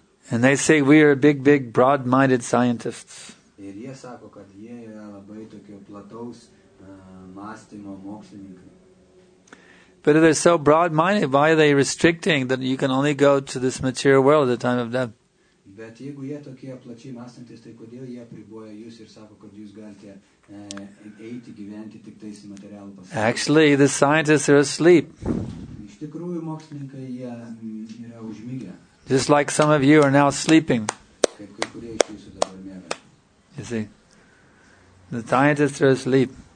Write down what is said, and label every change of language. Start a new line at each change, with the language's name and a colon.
English: And they say we are big, big, broad-minded scientists.
Lithuanian: Ir jie sako, kad jie yra labai tokio plataus mąstymo mokslininkai.
English: But if they're so broad-minded, why are they restricting that you can only go to this material world at the time of death?
Lithuanian: Bet jeigu jie tokie plačiai mąstantys, tai kodėl jie apriboja jūs ir sako, kad jūs galite eiti gyventi tik tais materialų pasaulyje?
English: Actually, the scientists are asleep.
Lithuanian: Iš tikrųjų, mokslininkai jie yra užmigę.
English: Just like some of you are now sleeping. You see, the scientists are asleep.